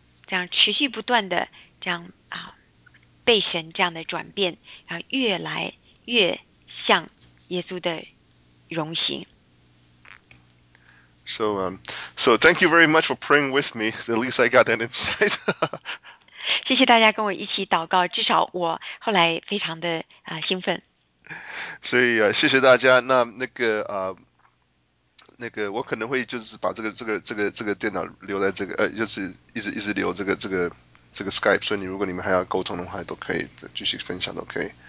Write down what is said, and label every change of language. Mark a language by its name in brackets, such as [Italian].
[Chinese] 这样持续不断的这样被神这样的转变，然后越来越像耶稣的荣形。 [English] So thank you very much for praying with me. At least I got that insight. [Chinese] 谢谢大家跟我一起祷告，至少我后来非常的兴奋。所以谢谢大家。那个我可能会就是把这个电脑留在这个就是一直留这个 Skype， 所以如果你们还要沟通的话都可以继续分享都可以。